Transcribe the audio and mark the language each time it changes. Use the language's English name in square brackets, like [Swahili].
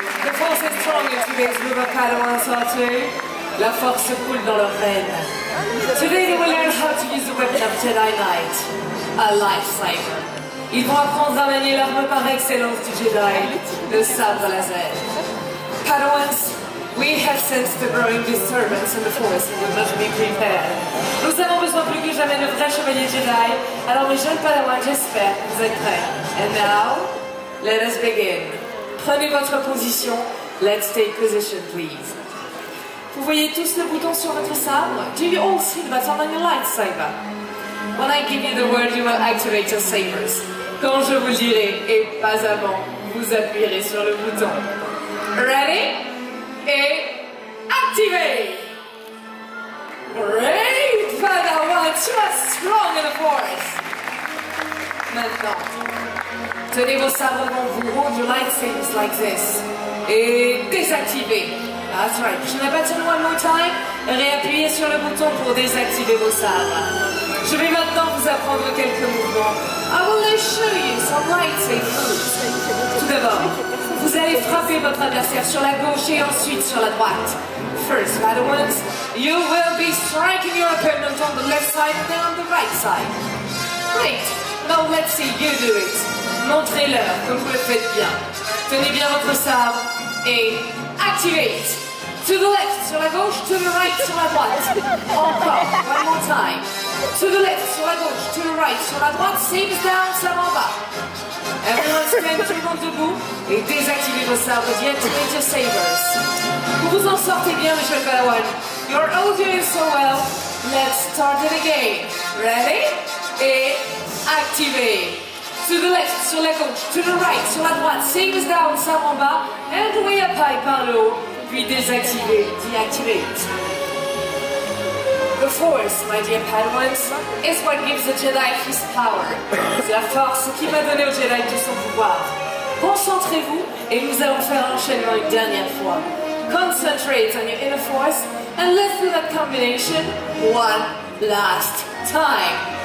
[English] The force is strong in today's rebel Padawans, aren't they? [French] La force coule dans leurs veines. [English] Today they will learn how to use the weapon of Jedi Knight, a lifesaver. [French] Ils vont apprendre à manier l'arme par excellence du Jedi, le sabre laser. [English] Padawans, we have sensed the growing disturbance in the Force and we must be prepared. [French] Nous avons besoin plus que jamais de vrais chevaliers Jedi, alors mes jeunes Padawans, j'espère que vous êtes prêts. [English] And now, let us begin. [French] Prenez votre position, [English] let's take position please. [French] Vous voyez tous le bouton sur votre sabre? [English] Do you all see the button on your lightsaber? When I give you the word, you will activate your sabers. [French] Quand je vous dirai, et pas avant, vous appuierez sur le bouton. [English] Ready? [French] Et activez! [English] Great, Padawan! You are strong in the Force! [French] Maintenant, tenez vos sabres devant vous, [English] hold your lightsabers like this. [French] Et désactivez! [English] That's right. [French] Je vais battre [English] one more time. [French] Réappuyez sur le bouton pour désactiver vos sabres. Je vais maintenant vous apprendre quelques mouvements. [English] I will show you some lightsaber moves. [French] Tout d'abord, vous allez frapper votre adversaire sur la gauche et ensuite sur la droite. [English] First, Padawans, you will be striking your opponent on the left side and then on the right side. Great. Now let's see you do it. [French] Montrez-leur que vous le faites bien. Tenez bien votre sabre et... activate! [English] To the left, [French] sur la gauche, [English] to the right, [French] sur la droite. Encore, [English] one more time. To the left, [French] sur la gauche, [English] to the right, [French] sur la droite, [English] sabres down, [French] sabres en bas. [English] Everyone stand, [French] tout le monde debout, et désactivez vos sabres, [English] deactivate your sabers. [French] Vous vous en sortez bien, monsieur Padawan. [English] You're all doing so well. Let's start it again. Ready? Et activate! To the left, [French] sur la gauche, [English] to the right, [French] sur la droite, [English] sabres down, [French] sabres en bas, [English] and way up high [French] par le haut, puis désactiver, deactivate. [English] The Force, my dear Padawans, is what gives the Jedi his power. [French] C'est la force qui m'a donné au Jedi tout son pouvoir. Concentrez-vous, et nous allons faire l'enchaînement une dernière fois. [English] Concentrate on your inner force, and let's do that combination one last time.